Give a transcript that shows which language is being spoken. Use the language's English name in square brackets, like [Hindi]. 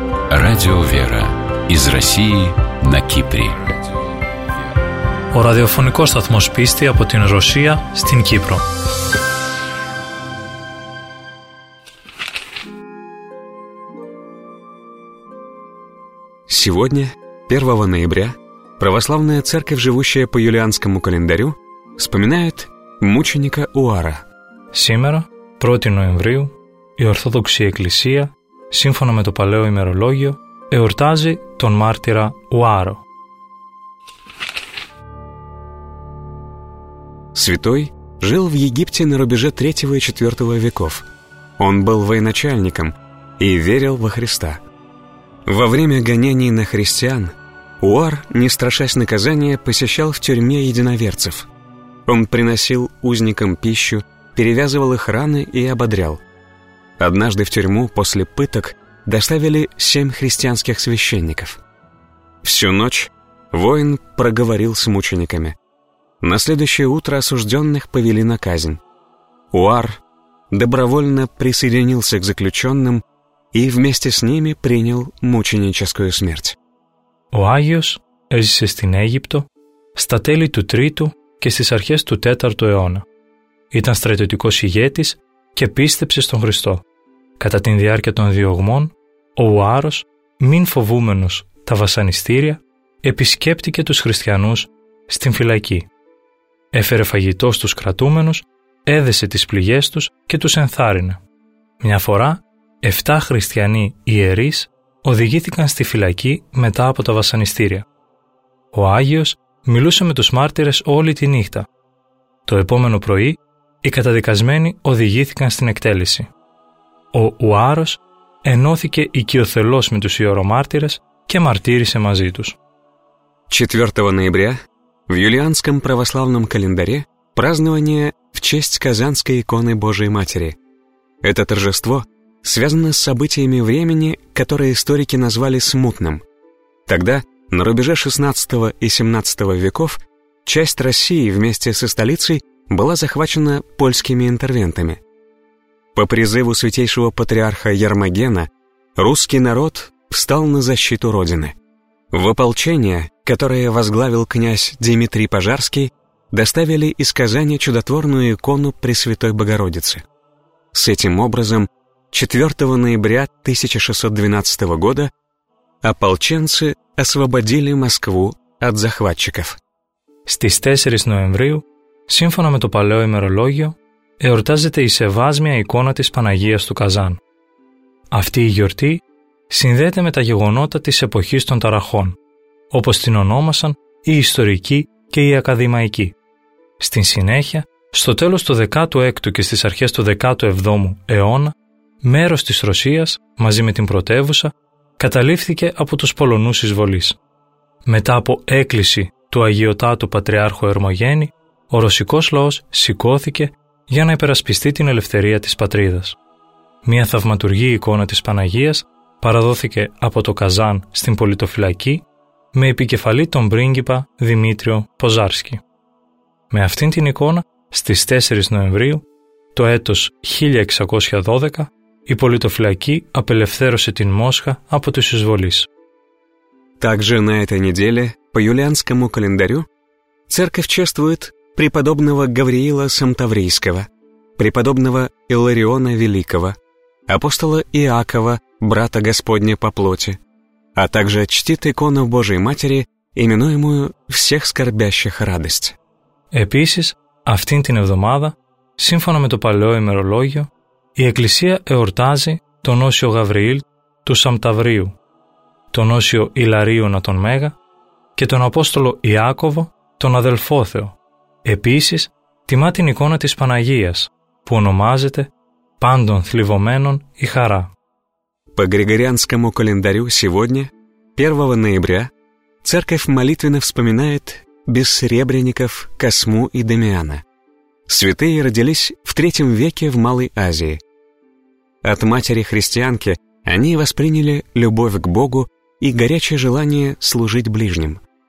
[Russian] Радио «Вера» из России на Кипре. [Greek] Ο ραδιοφωνικός σταθμός πίστη από την Ρωσία στην Κύπρο. [Russian] Сегодня, 1 ноября, православная церковь, живущая по юлианскому календарю, вспоминает мученика Уара. Сегодня, 1 ноября, [Greek] η Ορθόδοξη Εκκλησία, σύμφωνα με το παλαιό ημερολόγιο, εορτάζει τον μάρτυρα Ουάρο. [Russian] Святой жил в Египте на рубеже 3 и 4 веков. Он был военачальником и верил во Христа. Во время гонений на христиан Уар, не страшась наказания, посещал в тюрьме единоверцев. Он приносил узникам пищу, перевязывал их раны и ободрял. Однажды в тюрьму после пыток доставили 7 христианских священников. Всю ночь воин проговорил с мучениками. На следующее утро осужденных повели на казнь. Уар добровольно присоединился к заключенным и вместе с ними принял мученическую смерть. [Greek] Ο Άγιος έζησε στην Αίγυπτο στα τέλη του 3ου και στις αρχές του 4ου αιώνα. Ήταν στρατιωτικός ηγέτης και πίστεψε στον Χριστό. Κατά την διάρκεια των διωγμών, ο Ουάρος, μην φοβούμενος τα βασανιστήρια, επισκέπτηκε τους χριστιανούς στην φυλακή. Έφερε φαγητό στους κρατούμενους, έδεσε τις πληγές τους και τους ενθάρρυνε. Μια φορά, 7 χριστιανοί ιερείς οδηγήθηκαν στη φυλακή μετά από τα βασανιστήρια. Ο Άγιος μιλούσε με τους μάρτυρες όλη τη νύχτα. Το επόμενο πρωί, οι καταδικασμένοι οδηγήθηκαν στην εκτέλεση. Ο Ουάρος ενώθηκε οικειοθελώς με τους ιερομάρτυρες και μαρτύρησε μαζί τους. 4 Νοεμβρίου, [Russian] в юлианском православном календаре празднование в честь Казанской иконы Божией Матери. Это торжество связано с событиями времени, которые историки назвали смутным. Тогда, на рубеже 16 и 17 веков, часть России вместе со столицей была захвачена польскими интервентами. По призыву святейшего патриарха Ермогена, русский народ встал на защиту Родины. В ополчение, которое возглавил князь Дмитрий Пожарский, доставили из Казани чудотворную икону Пресвятой Богородицы. С этим образом, 4 ноября 1612 года ополченцы освободили Москву от захватчиков. [Greek] Στις 4 [Russian] ноября, [Greek] σύμφωνα με το παλαιό ημερολόγιο, εορτάζεται η σεβάσμια εικόνα της Παναγίας του Καζάν. Αυτή η γιορτή συνδέεται με τα γεγονότα της εποχής των Ταραχών, όπως την ονόμασαν οι ιστορικοί και οι ακαδημαϊκοί. Στην συνέχεια, στο τέλος του 16ου και στις αρχές του 17ου αιώνα, μέρος της Ρωσίας, μαζί με την πρωτεύουσα, καταλήφθηκε από τους Πολωνούς εισβολής. Μετά από έκκληση του Αγιωτάτου Πατριάρχου Ερμογέννη, ο ρωσικός λαός σηκώθηκε για να υπερασπιστεί την ελευθερία της πατρίδας. Μια θαυματουργή εικόνα της Παναγίας παραδόθηκε από το Καζάν στην πολιτοφυλακή με επικεφαλή τον πρίγκιπα Δημήτριο Ποζάρσκι. Με αυτήν την εικόνα, στις 4 Νοεμβρίου, το έτος 1612, η πολιτοφυλακή απελευθέρωσε την Μόσχα από τους εισβολείς. [Russian] Также на этой неделе, по юлианскому календарю, церковь чествует преподобного Гавриила Самтаврийского, преподобного Илариона Великого, апостола Иакова, брата Господня по плоти, а также чтит икону Божией Матери, именуемую «Всех скорбящих радость». [Greek] Επίσης, αυτήν την εβδομάδα, σύμφωνα με το παλαιό ημερολόγιο, η Εκκλησία εορτάζει τον Όσιο Γαβριήλ του Σαμταβρίου, τον Όσιο Ιλαρίωνα τον Μέγα και τον Απόστολο Ιάκωβο τον Αδελφόθεο. Επίσης, τιμά την εικόνα της Παναγίας, που ονομάζεται «Πάντων θλιβωμένων η χαρά». [Russian] По Григорианскому календарю сегодня, 1 ноября, церковь молитвенно вспоминает бессребреников Косму и Дамиана. Святые родились в 3 веке в Малой Азии. От матери-христианки они восприняли любовь к Богу и горячее желание служить ближним.